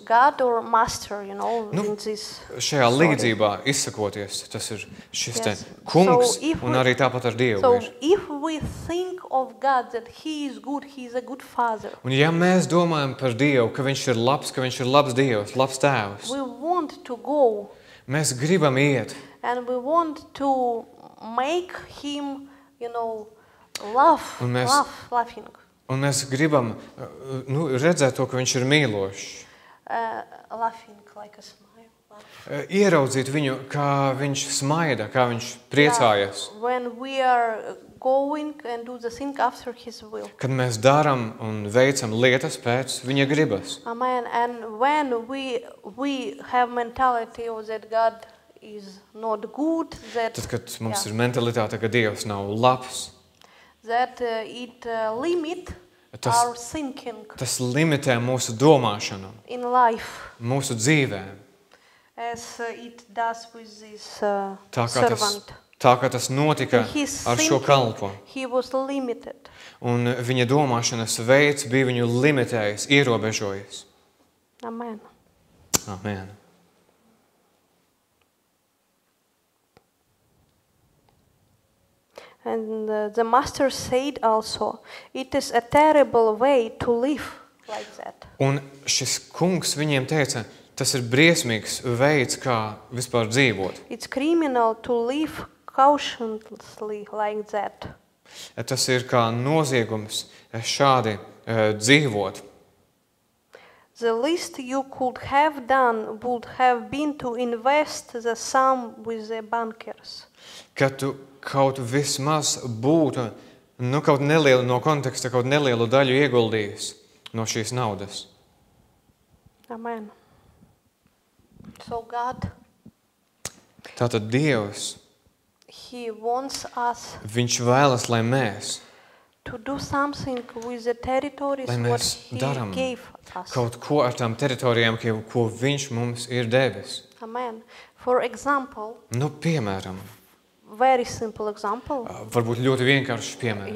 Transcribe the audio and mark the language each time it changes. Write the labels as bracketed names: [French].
[English] God or master, you know, nu, in this [Latvian] šajā līdzībā izsakoties, tas ir šis te kungs [English] so [Latvian] un arī tāpat ar Dievu. [English] So if we think of God that he is good, he is a good father. [Latvian] Un ja mēs domājam par Dievu, ka viņš ir labs, ka viņš ir labs Dievs, labs tēvs. [English] We want to go. [Latvian] Mēs gribam iet. [English] And we want to make him, you know, laughing. [Latvian] Un mēs gribam, nu, redzēt to, ka viņš ir mīlošs. [English] Laughing like a smile. [Latvian] Ieraudzīt viņu, kā viņš smaida, kā viņš priecājas. [English] Yeah, when we are going and do the thing after his will. [Latvian] Kad mēs daram un veicam lietas pēc viņa gribas. [English] Amen. And when we have mentality of that God is not good, that [Latvian] tad, kad mums ir mentalitāte, ka Dievs nav labs. [English] That it limit [Latvian] tas, [English] our thinking. [Latvian] Tas limitē mūsu domāšanu. [English] In life. [Latvian] Mūsu dzīvē. [English] As it does with this [Latvian] tā, [English] servant. [Latvian] Tā kā tas notika ar šo kalpo. [English] He was limited. [Latvian] Un viņa domāšanas veids bija viņu limitējis, ierobežojis. [English] Amen. Amen. And the master said also, it is a terrible way to live like that. [Latvian] Un šis kungs viņiem teica, tas ir briesmīgs veids, kā vispār dzīvot. [English] It's criminal to live cautiously like that. [Latvian] Tas ir kā noziegums šādi dzīvot. [English] The least you could have done would have been to invest the sum with the bankers. [Latvian] Kad tu kaut vismaz būtu, nu kaut nelielu no konteksta, kaut nelielu daļu ieguldījis no šīs naudas. [English] Amen. So God. [Latvian] Tātad Dievs. [English] He wants us. [Latvian] Viņš vēlas, lai mēs [English] to do something with the territories what he [Latvian] daram [English] gave us. [Latvian] Kaut ko ar tām teritorijām, ko viņš mums ir devis. [English] Amen. For example. [Latvian] Nu, piemēram. [English] Very simple example. [Latvian] Varbūt ļoti vienkāršs piemērs.